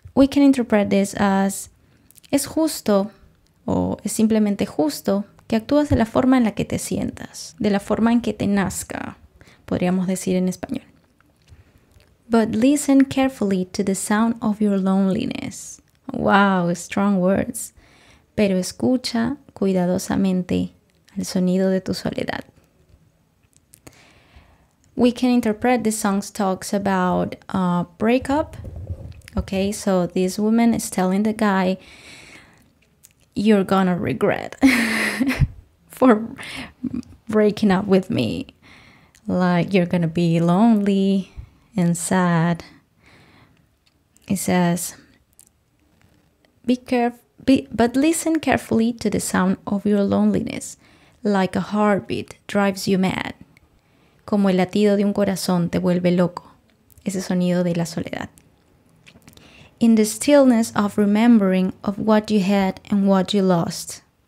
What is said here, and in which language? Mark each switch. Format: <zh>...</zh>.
<en>We can interpret this as</en> <es>es justo o es simplemente justo que actúes de la forma en la que te sientas, de la forma en que te nazca, podríamos decir en español.</es> <en>But listen carefully to the sound of your loneliness. Wow, strong words.</en> <es>Pero escucha cuidadosamente el sonido de tu soledad.</es> <en>We can interpret this song's talks about breakup. Okay, so this woman is telling the guy, you're gonna regret for breaking up with me. Like, you're gonna be lonely and sad. It says, be careful. But listen carefully to the sound of your loneliness, like a heartbeat drives you mad.</en> <es>Como el latido de un corazón te vuelve loco, ese sonido de la soledad.</es> <en>In the stillness of remembering of what you had and what you lost.</en>